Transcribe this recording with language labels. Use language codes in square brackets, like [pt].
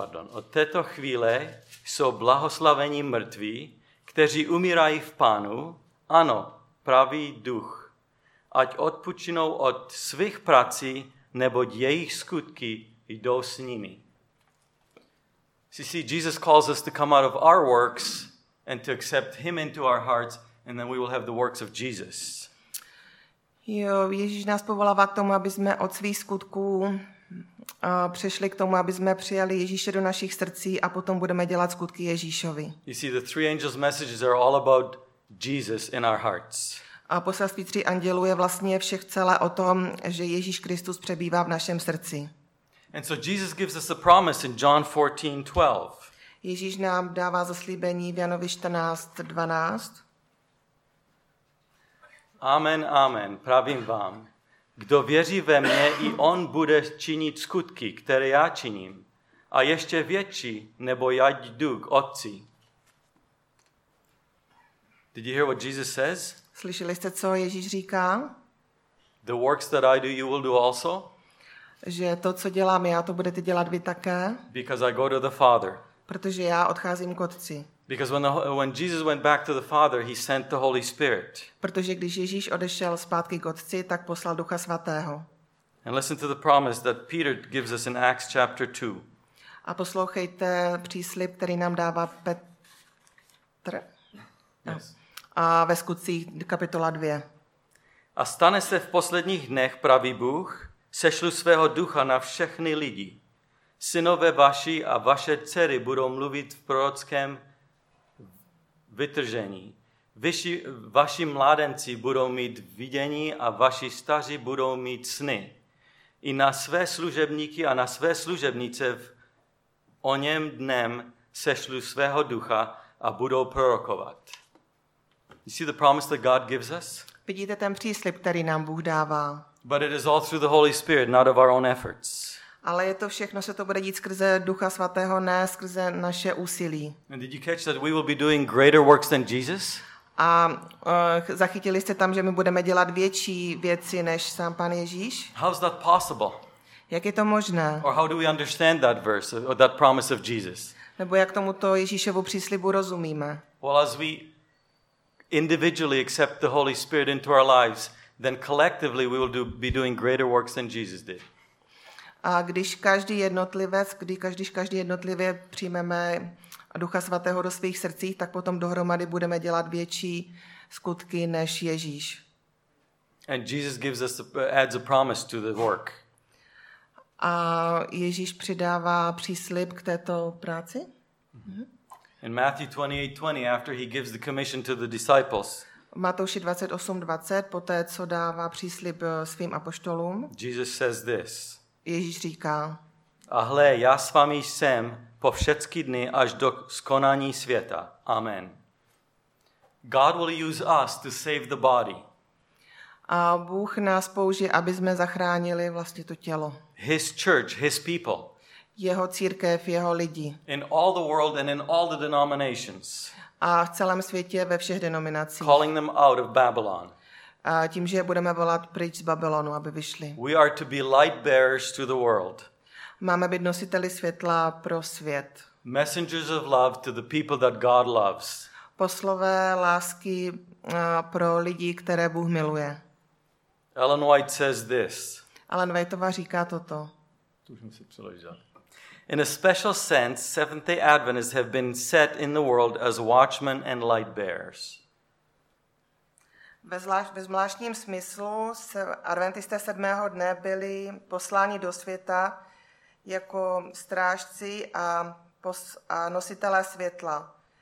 [cs] Od této chvíle jsou blahoslavení mrtví, kteří umírají v Pánu. Ano. Pravý duch, ať odpočinou od svých prací, neboť jejich skutky jdou s nimi. [en] See, Jesus calls us to come out of our works and to accept him into our hearts, and then we will have the works of Jesus. [cs] Jo, Ježíš nás povolává k tomu, aby jsme od svých skutků přešli k tomu, aby jsme přijali Ježíše do našich srdcí a potom budeme dělat skutky Ježíšovi. [en] See, the three angels' messages are all about Jesus in our hearts. [cs] A poselství tří andělů je vlastně všech celé o tom, že Ježíš Kristus přebývá v našem srdci. [en] And so Jesus gives us a promise in John 14:12. [cs] Ježíš nám dává zaslíbení v Janovi 14:12. Amen, amen, pravím vám. Kdo věří ve mě, i on bude činit skutky, které já činím. A ještě větší, nebo já jdu k Otci. [en] Did you hear what Jesus says? [cs] Slyšeli jste, co Ježíš říká? [en] The works that I do, you will do also? [cs] Že to, co dělám já, to budete dělat vy také. [en] Because I go to the Father. [cs] Protože já odcházím k Otci. [en] Because when Jesus went back to the Father, he sent the Holy Spirit. [cs] Protože když Ježíš odešel zpátky k Otci, tak poslal Ducha Svatého. [en] And listen to the promise that Peter gives us in Acts chapter 2. [cs] A poslouchejte příslib, který nám dává Petr. A ve Skutcích kapitola 2. A stane se v posledních dnech, pravý Bůh, sešlu svého ducha na všechny lidi. Synové vaši a vaše dcery budou mluvit v prorockém vytržení. Vaši mládenci budou mít vidění a vaši staří budou mít sny. I na své služebníky a na své služebnice v oněm dnem sešlu svého ducha a budou prorokovat. [en] You see the promise that God gives us? [cs] Vidíte ten příslib, který nám Bůh dává? [en] But it is all through the Holy Spirit, not of our own efforts. [cs] Ale je to všechno, se to bude dít skrze Ducha Svatého, ne skrze naše úsilí. [en] And did you catch that we will be doing greater works than Jesus? [cs] A zachytili jste tam, že my budeme dělat větší věci než sám Pán Ježíš? [en] How is that possible? [cs] Jak je to možné? [en] Or how do we understand that verse or that promise of Jesus? [cs] Nebo jak tomuto Ježíšovu příslibu rozumíme? [en] Well, as we individually accept the Holy Spirit into our lives, then collectively we will be doing greater works than Jesus did. [cs] A když každý jednotlivec, každý jednotlivě přijmeme Ducha Svatého do svých srdcí, tak potom dohromady budeme dělat větší skutky než Ježíš. [en] And Jesus gives us adds a promise to the work. [cs] A Ježíš přidává příslib k této práci? [en] In Matthew 28:20, after he gives the commission to the disciples. [cs] Matouši 28:20, poté co dává příslib svým apoštolům. [en] Jesus says this. [cs] Ježíš říká: A hle, já s vámi jsem po všechny dny až do skonání světa. Amen. [en] God will use us to save the body. [cs] A Bůh nás použije, aby jsme zachránili vlastně to tělo. [en] His church, his people. [cs] Jeho církev, jeho lidi. [en] In all the world and in all the denominations. [cs] A v celém světě ve všech denominacích. [en] Calling them out of Babylon. [cs] A tím, že je budeme volat pryč z Babylonu, aby vyšli. [en] We are to be light bearers to the world. [cs] Máme být nositeli světla pro svět. [en] Messengers of love to the people that God loves. [cs] Poslové lásky pro lidi, které Bůh miluje. [en] Ellen White says this. [cs] Ellen Whiteová říká toto. To už musím přeložit. [en] In a special sense, Seventh-day Adventists have been set in the world as watchmen and light bearers. [cs] Ve zvláštním smyslu se adventisté sedmého dne byli posláni do světa jako strážci a nositelé světla.